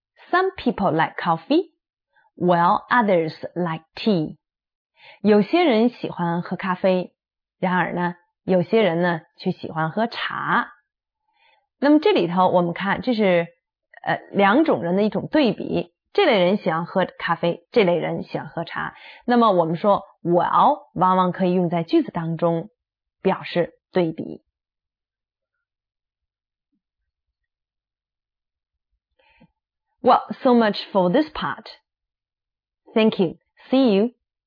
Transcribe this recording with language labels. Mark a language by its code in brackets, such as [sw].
[en] Some people like coffee, while others like tea. [zh] 有些人喜欢喝咖啡，然而呢，有些人呢，却喜欢喝茶。那么这里头我们看，这是两种人的一种对比，这类人喜欢喝咖啡，这类人喜欢喝茶。那么我们说 well 往往可以用在句子当中表示对比。 [en] Well, so much for this part. Thank you. See you.